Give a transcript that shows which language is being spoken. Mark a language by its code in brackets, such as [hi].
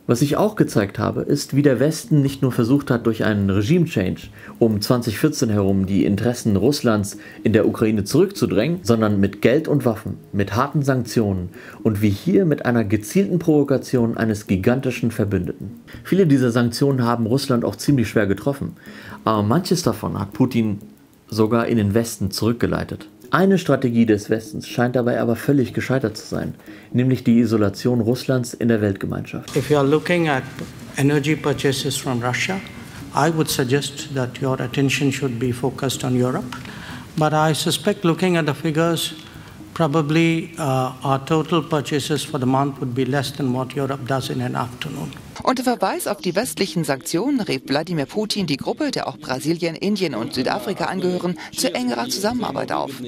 [de] Was ich auch gezeigt habe, ist, wie der Westen nicht nur versucht hat, durch einen Regime-Change um 2014 herum die Interessen Russlands in der Ukraine zurückzudrängen, sondern mit Geld und Waffen, mit harten Sanktionen und wie hier mit einer gezielten Provokation eines gigantischen Verbündeten. Viele dieser Sanktionen haben Russland auch ziemlich schwer getroffen, aber manches davon hat Putin sogar in den Westen zurückgeleitet. Eine Strategie des Westens scheint dabei aber völlig gescheitert zu sein, nämlich die Isolation Russlands in der Weltgemeinschaft. [en] If you are looking at energy purchases from Russia, I would suggest that your attention should be focused on Europe. But I suspect looking at the figures, probably our total purchases for the month would be less than what Europe does in an afternoon. [de] Unter Verweis auf die westlichen Sanktionen rief Wladimir Putin die Gruppe, der auch Brasilien, Indien und Südafrika angehören, zu engerer Zusammenarbeit auf.